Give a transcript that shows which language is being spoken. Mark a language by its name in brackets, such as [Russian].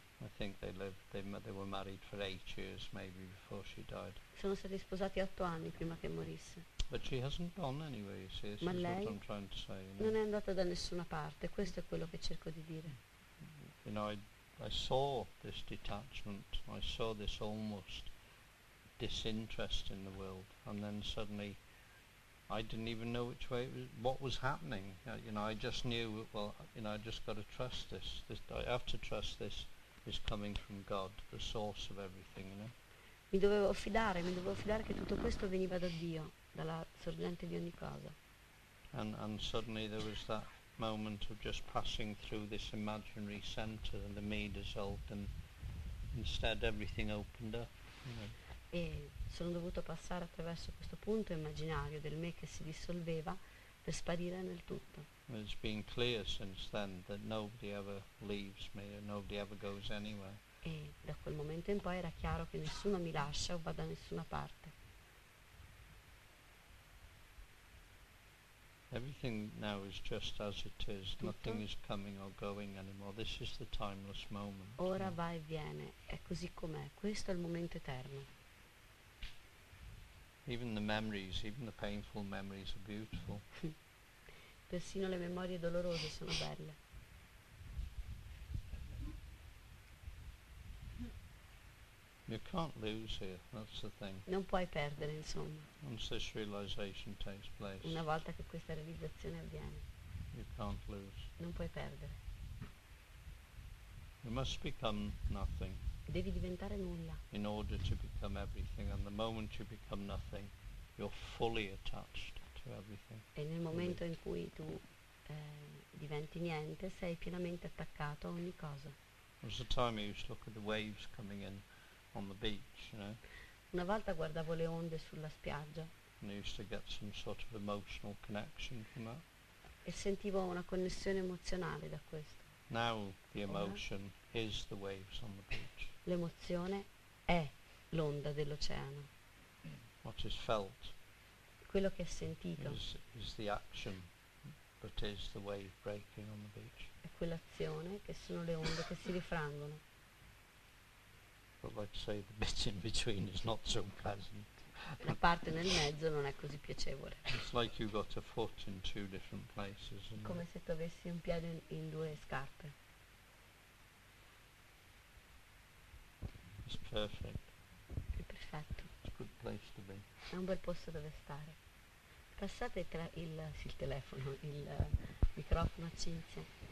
[English] I think they were married for 8 years maybe before she died. [Italian] Sono stati sposati 8 anni prima che morisse. [English] But she hasn't gone anywhere, you see, [Italian] ma [English] lei what I'm trying to say, you know. [Italian] Non è andata da nessuna parte, questo è quello che cerco di dire. [English] You know, I saw this detachment, I saw this almost disinterest in the world, and then suddenly I didn't even know which way it was, what was happening. You know, I just knew, well, you know, I just got to trust this. I have to trust this is coming from God, the source of everything, you know. [Italian] Mi dovevo fidare che tutto questo veniva da Dio, dalla sorgente di ogni cosa. [English] And suddenly there was that moment of just passing through this imaginary center and the me dissolved and instead everything opened up, you know. [Italian] E sono dovuto passare attraverso questo punto immaginario del me che si dissolveva per sparire nel tutto. [English] It's been clear since then that nobody ever leaves me or nobody ever goes anywhere. [Italian] E da quel momento in poi era chiaro che nessuno mi lascia o va da nessuna parte. [English] Everything now is just as it is. [Italian] Tutto? [English] Nothing is coming or going anymore. This is the timeless moment. [Italian] Ora va e viene, è così com'è, questo è il momento eterno. [English] Even the memories, even the painful memories are beautiful. [Italian] Persino le memorie dolorose sono belle. [English] You can't lose here, that's the thing. [Italian] Non puoi perdere, insomma. [English] Once this realization takes place. [Italian] Una volta che questa realizzazione avviene. [English] You can't lose. [Italian] Non puoi perdere. [English] You must become nothing. [Italian] Devi diventare nulla. [English] In order to become everything, and the moment you become nothing, you're fully attached to everything. [Italian] E nel momento in cui tu diventi niente, sei pienamente attaccato a ogni cosa. [English] There's a time you used to look at the waves coming in on the beach, you know. [Italian] Una volta guardavo le onde sulla spiaggia. [English] And you used to get some sort of emotional connection from that. [Italian] E sentivo una connessione emozionale da questo. [English] Now the emotion is the waves on the beach. [Italian] L'emozione è l'onda dell'oceano. [English] What is felt? [Italian] Quello che è sentito. [English] Is the action, but is the wave breaking on the beach? [Italian] È quell'azione che sono le onde che si rifrangono. [English] But like I say, the bit in between is not so pleasant. [Italian] La parte nel mezzo non è così piacevole. [English] It's like you've got a foot in two different places. [Italian] Come se tu avessi un piede in due scarpe. [English] It's perfect. [Italian] È perfetto. [English] It's a good place to be. [Italian] È un bel posto dove stare. Passate tra il telefono, il microfono a Cinzia.